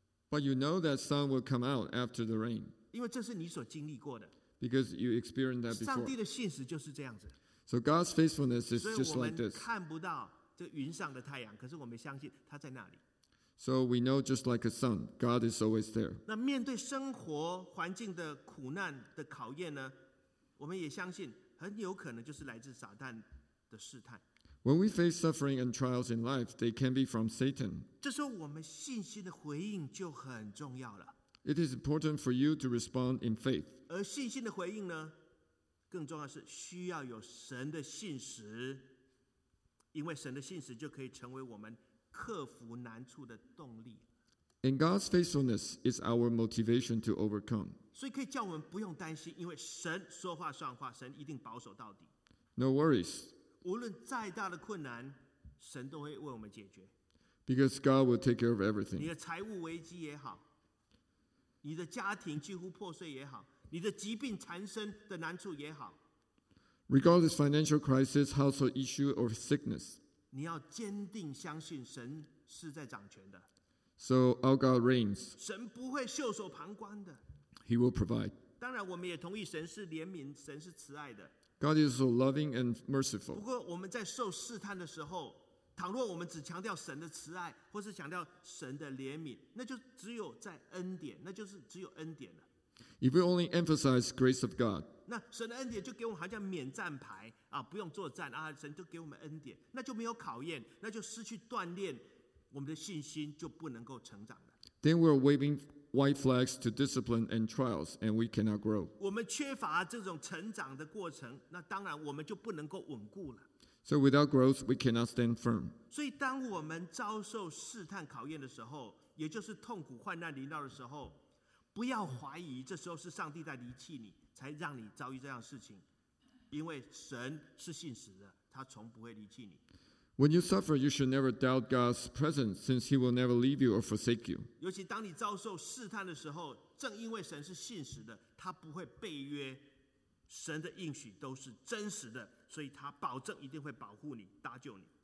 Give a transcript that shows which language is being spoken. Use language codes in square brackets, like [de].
[en] But you know that sun will come out after the rain. [zh] 因为这是你所经历过的。 [en] Because you experienced that before. [zh] 上帝的信实就是这样子。 [en] So God's faithfulness is just like this. [zh] 所以我们看不到这云上的太阳，可是我们相信它在那里。 [en] So we know just like a son, God is always there. [zh] 那面对生活环境的苦难的考验呢？我们也相信很有可能就是来自撒旦的试探。 [en] When we face suffering and trials in life, they can be from Satan. [zh] 这时候我们信心的回应就很重要了。 [en] It is important for you to respond in faith. [zh] 而信心的回应呢，更重要是需要有神的信实，因为神的信实就可以成为我们克服难处的动力。 [en] And God's faithfulness is our motivation to overcome. [zh] 所以可以叫我们不用担心，因为神说话算话，神一定保守到底。 [en] No worries. [zh] 无论再大的困难，神都会为我们解决。 [en] Because God will take care of everything. [zh] 你的财务危机也好，你的家庭几乎破碎也好，你的疾病缠身的难处也好 [en] ，Regardless financial crisis, household issue, or sickness. [zh] 你要坚定相信神是在掌权的。 [en] So our God reigns. [zh] 神不会袖手旁观的。 [en] He will provide. [zh] 当然，我们也同意神是怜悯，神是慈爱的。 [en] God is so loving and merciful. [zh] 不过，我们在受试探的时候，倘若我们只强调神的慈爱，或是强调神的怜悯，那就只有在恩典，那就是只有恩典了。 [en] If we only emphasize grace of God. [zh] 那神的恩典就给我们好像免战牌。不用作战神就给我们恩典，那就没有考验，那就失去锻炼，我们的信心就不能够成长了。 [en] Then we're waving white flags to discipline and trials, and we cannot grow. [zh] 我们缺乏这种成长的过程，那当然我们就不能够稳固了。 [en] So without growth, we cannot stand firm. [zh] 所以当我们遭受试探考验的时候，也就是痛苦患难临到的时候，不要怀疑，这时候是上帝在离弃你，才让你遭遇这样的事情。因为神是信实的，他从不会离弃你。 [en] When you suffer, you should never doubt God's presence, since He will never leave you or forsake you. [zh] 尤其当你遭受试探的时候，正因为神是信实的，他不会背约，神的应许都是真实的，所以他保证一定会保护你、搭救你。